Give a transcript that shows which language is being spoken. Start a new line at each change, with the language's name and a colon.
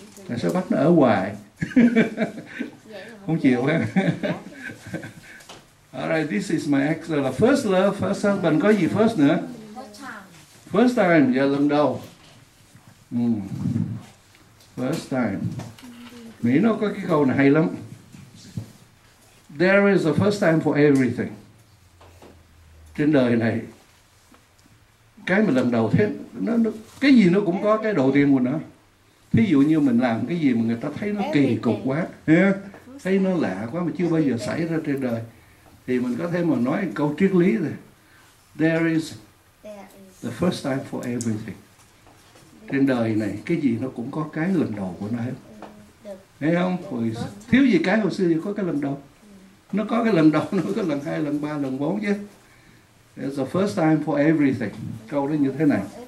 Vietnamese: Tại sao bắt nó ở hoài? Không chịu ha.
English: All right, this is my ex, là first love, first husband,
Vietnamese: có gì
English: first nữa? First time. First time,
Vietnamese: dạ, lần đầu.
English: First time.
Vietnamese: Mỹ nó có cái câu này hay lắm.
English: There is a first time for everything.
Vietnamese: Trên đời này, cái mà lần đầu thế, nó cái gì nó cũng có cái đầu tiên của nó. Thí dụ như mình làm cái gì mà người ta thấy nó kỳ cục quá, thấy nó lạ quá mà chưa bao giờ xảy ra trên đời, thì mình có thể mà nói một câu triết lý rồi.
English: There is the first time for everything.
Vietnamese: Trên đời này, cái gì nó cũng có cái lần đầu của nó hết. Thấy không? Thiếu gì cái hồi xưa thì có cái lần đầu. Nó có cái lần đầu, nó có lần hai, lần ba, lần bốn chứ.
English: It's the first time for everything.
Vietnamese: Câu đó như thế này.